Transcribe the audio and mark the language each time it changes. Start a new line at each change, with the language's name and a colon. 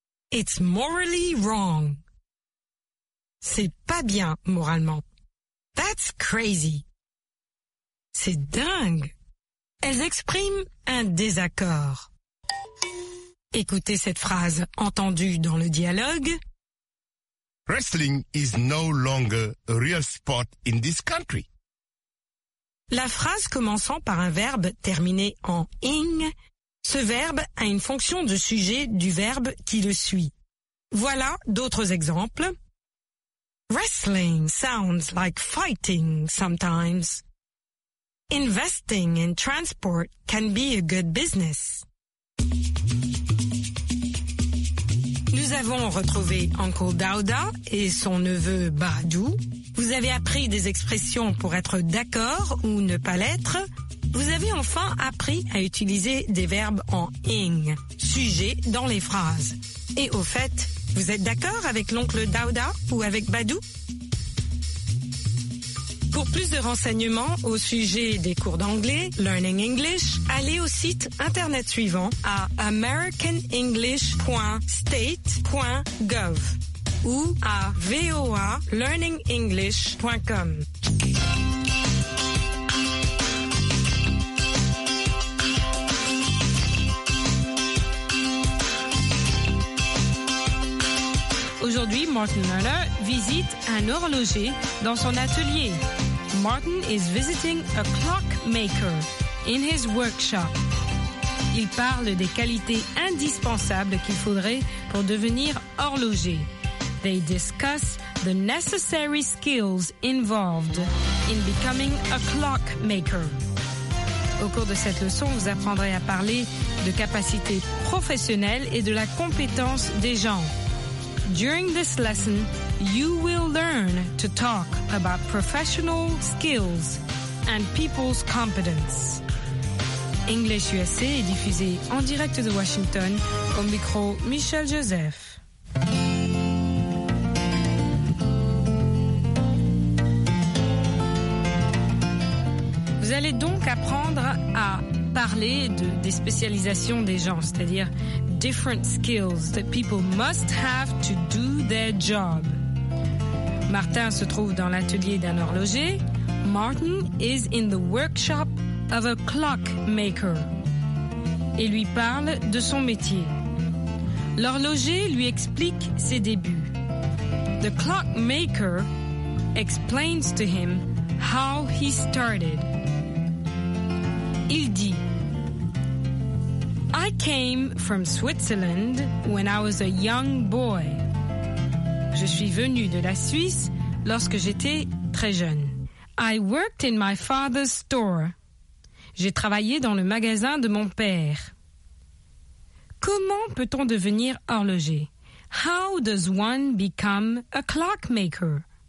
English: It's morally wrong.
French: C'est pas bien moralement.
English: That's crazy.
French: C'est dingue. Elles expriment un désaccord. Écoutez cette phrase entendue dans le dialogue.
English: Wrestling is no longer a real sport in this country.
French: La phrase commençant par un verbe terminé en « ing », ce verbe a une fonction de sujet du verbe qui le suit. Voilà d'autres exemples.
English: Wrestling sounds like fighting sometimes. Investing in transport can be a good business.
French: Nous avons retrouvé Uncle Daouda et son neveu Badou. Vous avez appris des expressions pour être d'accord ou ne pas l'être. Vous avez enfin appris à utiliser des verbes en « ing », sujet dans les phrases. Et au fait, vous êtes d'accord avec l'oncle Daouda ou avec Badou? Pour plus de renseignements au sujet des cours d'anglais, Learning English, allez au site internet suivant à americanenglish.state.gov ou à voalearningenglish.com. Aujourd'hui, Martin Muller visite un horloger dans son atelier.
English: Martin is visiting a clockmaker in his workshop.
French: Il parle des qualités indispensables qu'il faudrait pour devenir horloger.
English: They discuss the necessary skills involved in becoming a clockmaker.
French: Au cours de cette leçon, vous apprendrez à parler de capacités professionnelles et de la compétence des gens.
English: During this lesson, you will learn to talk about professional skills and people's competence.
French: English USA est diffusé en direct de Washington au micro Michel Joseph. Vous allez donc apprendre à parler des spécialisations des gens, c'est-à-dire
English: different skills that people must have to do their job.
French: Martin se trouve dans l'atelier d'un horloger.
English: Martin is in the workshop of a clockmaker.
French: Il lui parle de son métier. L'horloger lui explique ses débuts.
English: The clockmaker explains to him how he started.
French: Il dit,
English: I came from Switzerland when I was a young boy.
French: Je suis venu de la Suisse lorsque j'étais très jeune.
English: I worked in my father's store.
French: J'ai travaillé dans le magasin de mon père. Comment peut-on devenir horloger?
English: How does one become a clockmaker?